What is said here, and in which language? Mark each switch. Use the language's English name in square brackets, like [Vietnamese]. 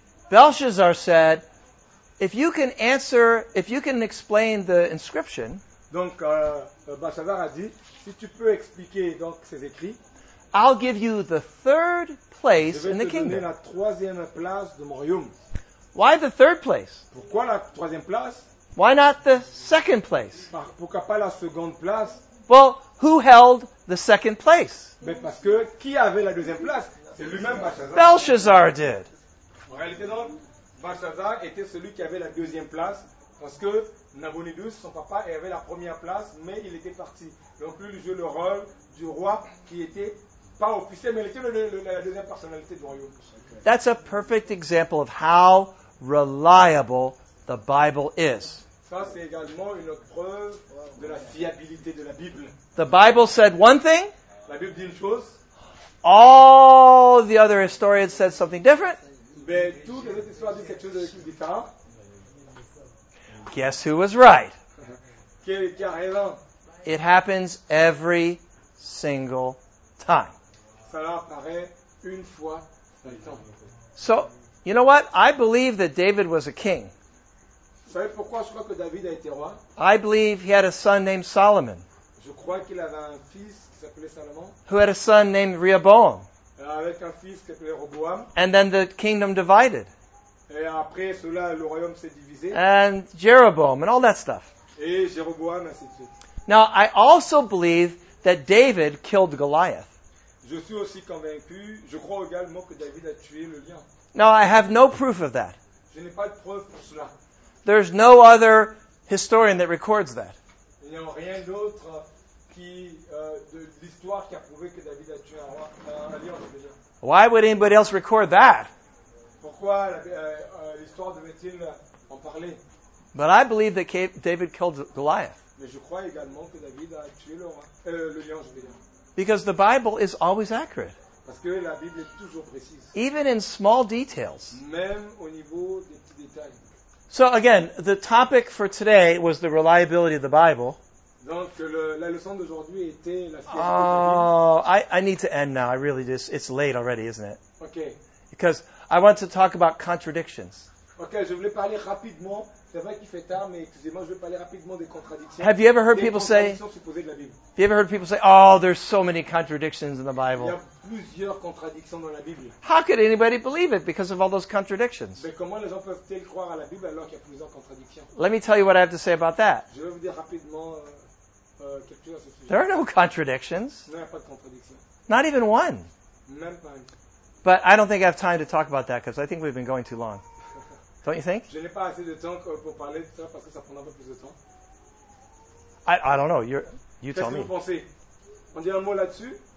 [English] Belshazzar said, if you can explain the inscription, [French] donc, Belshazzar a dit, si tu peux expliquer donc ces écrits, [English] I'll give you the third place in the kingdom. [French] Je vais te donner la troisième place de mon royaume. [English] Why the third place? [French] Pourquoi la troisième place? [English] Why not the second place? [French] Pourquoi pas la seconde place? [English] Well, who held the second place? [French] Mais parce que qui avait la deuxième place? C'est lui-même Belshazzar. [English] Belshazzar did. [French] En réalité, donc, Belshazzar était celui qui avait la deuxième place parce que Nabonidus, son papa, avait la première place, mais il était parti. Donc, lui, il jouait le rôle du roi qui était pas officiel, mais il était la deuxième personnalité du royaume. [English] That's a perfect example of how reliable the Bible is. [French] Ça, c'est également une preuve de la fiabilité de la Bible. [English] The Bible said one thing. [French] La Bible dit une chose. [English] All the other historians said something different. [French] Mais toutes les autres histoires disent quelque chose de différent. [English] Guess who was right? [French] Qui a raison? [English] It happens every single time. [French] Ça apparaît une fois par temps. [English] So, you know what? I believe that David was a king. [French] Vous savez pourquoi je crois que David a été roi? [English] I believe he had a son named Solomon. [French] Je crois qu'il avait un fils qui s'appelait Salomon. [English] Who had a son named Rehoboam. [French] Avec un fils qui s'appelait Rehoboam. [English] And then the kingdom divided. [French] Et après cela, le royaume s'est divisé. [English] And Jeroboam and all that stuff. [French] Et Jéroboam, ainsi de suite. [English] Now, I also believe that David killed Goliath. [French] Je suis aussi convaincu, je crois également que David a tué le lion. [English] Now, I have no proof of that. [French] Je n'ai pas de preuve pour cela. [English] There's no other historian that records that. [French] Il n'y a rien d'autre qui de l'histoire qui a prouvé que David a tué un lion. [English] Why would anybody else record that? [French] Pourquoi l'histoire devait-il en parler? [English] But I believe that David killed Goliath. [French] Mais je crois également que David a tué le lion, je veux dire. [English] Because the Bible is always accurate. [French] Parce que la Bible est toujours précise. [English] Even in small details. [French] Même au niveau des petits détails. [English] So again, the topic for today was the reliability of the Bible. [French] Donc la leçon d'aujourd'hui était la fiabilité. [English] Oh, I need to end now. I really just, it's late already, isn't it? Okay. Because I want to talk about contradictions. [French] Okay, je voulais parler rapidement. C'est vrai qu'il fait tard, mais excusez-moi, je vais parler rapidement des contradictions. [English] Have you ever heard people say? Have you ever heard people say, "Oh, there's so many contradictions in the Bible." [French] Il y a plusieurs contradictions dans la Bible. [English] How could anybody believe it because of all those contradictions? [French] Mais comment les gens peuvent-ils croire à la Bible alors qu'il y a plusieurs contradictions? [English] Let me tell you what I have to say about that. [French] Je vais vous dire rapidement quelque chose à ce sujet. [English] There are no contradictions. [French] Non, il n'y a pas de contradictions. [English] Not even one. [French] Même pas une. [English] But I don't think I have time to talk about that because I think we've been going too long. Don't you think? [French] Je n'ai pas assez de temps pour parler de ça parce que ça prend un peu plus de temps. [English] I don't know. You tell me. [French] Qu'est-ce que vous pensez? On dit un mot là-dessus?